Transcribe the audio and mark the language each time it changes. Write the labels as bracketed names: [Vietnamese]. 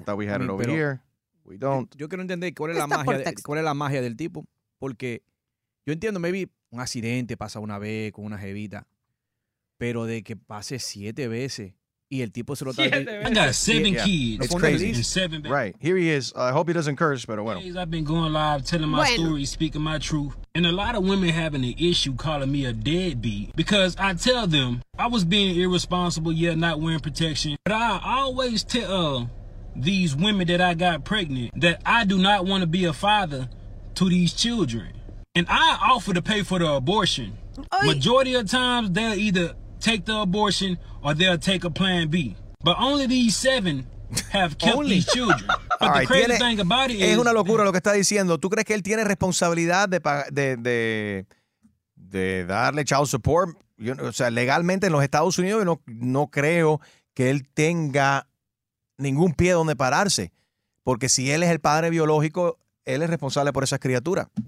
[English] I thought we had it over here. We don't. [Spanish] Yo quiero entender cuál es la magia del tipo, porque yo entiendo, [English] maybe [Spanish] un accidente pasa una vez con una jevita, pero de que pase siete veces y el tipo se lo trae. [English] I got seven kids. It's crazy. Right. Here he is. I hope he doesn't curse, [Spanish] pero bueno. [English] I've been going live, telling my story, speaking my truth. And a lot of women having an issue calling me a deadbeat because I tell them I was being irresponsible, yeah, not wearing protection. But I always tell these women that I got pregnant that I do not want to be a father to these children. And I offer to pay for the abortion. Oy. Majority of times, they'll either take the abortion or they'll take a plan B. But only these seven have kept only these children. But all right, the crazy thing about it [Spanish] es una locura lo que está diciendo. ¿Tú crees que él tiene responsabilidad de darle [English] child support? [Spanish] Yo, o sea, legalmente en los Estados Unidos, yo no creo que él tenga ningún pie donde pararse. Porque si él es el padre biológico, él es responsable por esas criaturas.